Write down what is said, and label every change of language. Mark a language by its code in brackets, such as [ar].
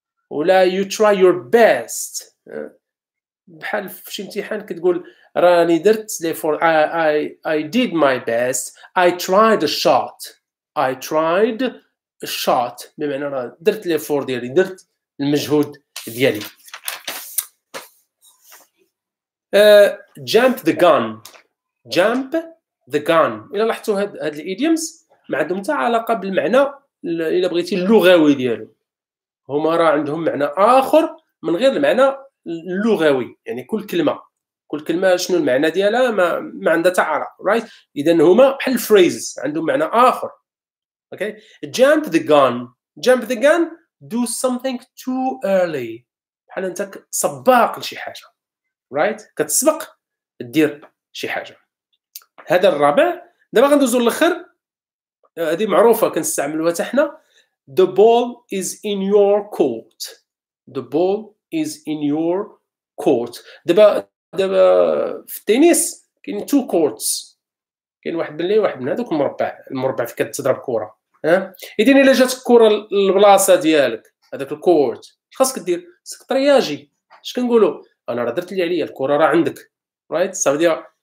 [en] ولا you try your best. [ar] بحال فشي امتحان كتقول راني درت, [en] therefore I did my best. I tried a shot. I tried a shot, [ar] بمعنى أنا درت الإفور ديالي, درت المجهود ديالي. [en] Jump the gun. Jump the gun. [ar] إلا لاحظتوا هاد الإيديومز ما عندهم حتى علاقة بالمعنى إلا بغيتي اللغوي ديالهم. هما راه عندهم معنى آخر من غير المعنى اللغوي, يعني كل كلمة شنو المعنى ديالها ما عندها حتى علاقة, right? إذن هما بحال الفريزز عندهم معنى آخر. [en] Okay, jump the gun. Jump the gun. Do something too early. [ar] بحال انت سباق لشي حاجة, right? كتسبق دير شي حاجة. هذا الرابع. دابا غندوزو للاخر. هذه معروفة كنستعملوها حتى حنا. [en] The ball is in your court. The ball is in your court. [ar] دابا في التنس كاين [en] two courts. [ar] كاين واحد بالليل واحد من هذوك المربع في كتضرب كرة. إذن إلا جاتك كرة البلاصة ديالك هذاك الكورت خاصك دير خاصك ترياجي. اش كنقولوا؟ انا راه درت اللي عليا, الكرة راه عندك, رايت, صافي.